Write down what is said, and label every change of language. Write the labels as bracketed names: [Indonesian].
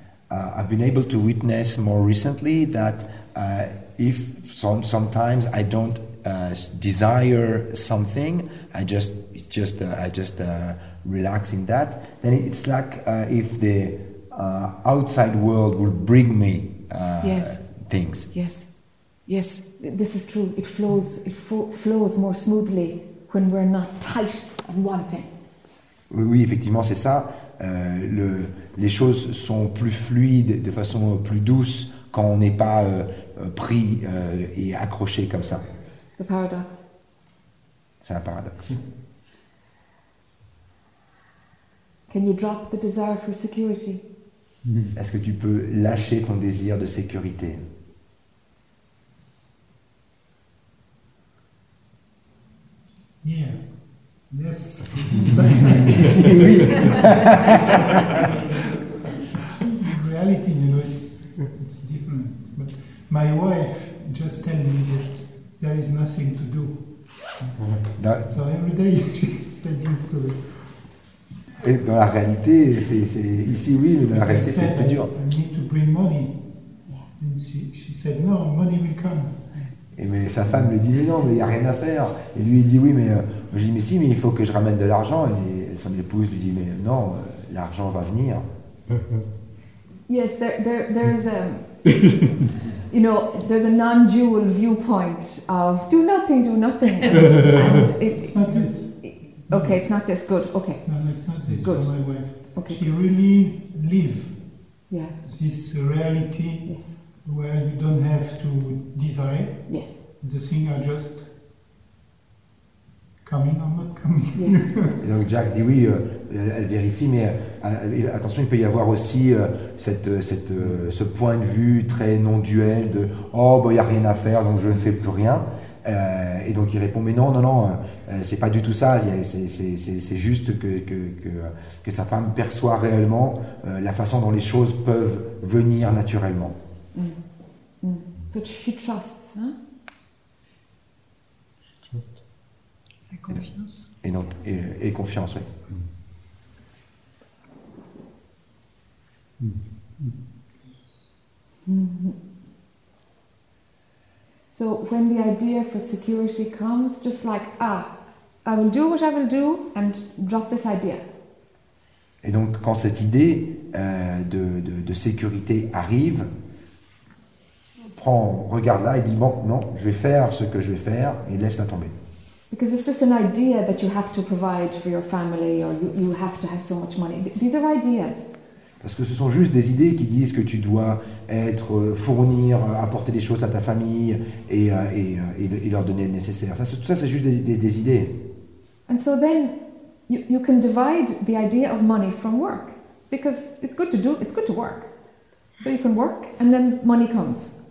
[English] I've been able to witness more recently that if sometimes I don't desire something, I just relax in that. Then it's like if the outside world will bring me things. Yes, this is true. It flows. It flows more smoothly when we're not tight and wanting. [French] Oui, effectivement, c'est ça. Les choses sont plus fluides, de façon plus douce, quand on n'est pas pris et accroché comme ça. [English] The paradox. [French] C'est un paradoxe. [English] Can you drop the desire for security? [French] Est-ce que tu peux lâcher ton désir de sécurité? [English] Yes. [French] Oui. [English] In reality, you know, it's different. But my wife just tell me that there is nothing to do. So every day you just say this to me. [French] Et dans la réalité, c'est ici oui, mais dans la réalité, c'est plus dur. [English] I need to bring money. And she said, no, money will come. [French] Et mais sa femme lui dit, mais non, mais il n'y a rien à faire. Et lui, il dit, oui, mais... je dis, mais si, mais il faut que je ramène de l'argent. Et son épouse lui dit, mais non, l'argent va venir. [English] Yes, there's a non-dual viewpoint of do nothing. It's not this. Okay, it's not this. Good. Okay. No, it's not this. Good. My wife. Okay. She really lives. Yeah. This reality. Yes. Where you don't have to desire. Yes. The things are just coming or not coming. Yes. [French] Et donc Jack dit oui. Elle vérifie, mais attention, il peut y avoir aussi ce point de vue très non-duel de oh, bah, il n'y a rien à faire, donc je ne fais plus rien. Et donc il répond, mais non, c'est pas du tout ça, c'est juste que sa femme perçoit réellement la façon dont les choses peuvent venir naturellement. [English] So she trusts, hein? [French] Confiance. Et confiance, oui. [English] So when the idea for security comes, just like I will do what I will do and drop this idea. [French] Et donc quand cette idée de sécurité arrive, regarde là et dis bon, non, je vais faire ce que je vais faire et laisse-la tomber. [English] Because it's just an idea that you have to provide for your family or you have to have so much money. These are ideas. [French] Parce que ce sont juste des idées qui disent que tu dois être, fournir, apporter des choses à ta famille et leur donner le nécessaire. Ça c'est juste des idées. [English] And so then, you can divide the idea of money from work. Because it's good to do, it's good to work. So you can work and then money comes.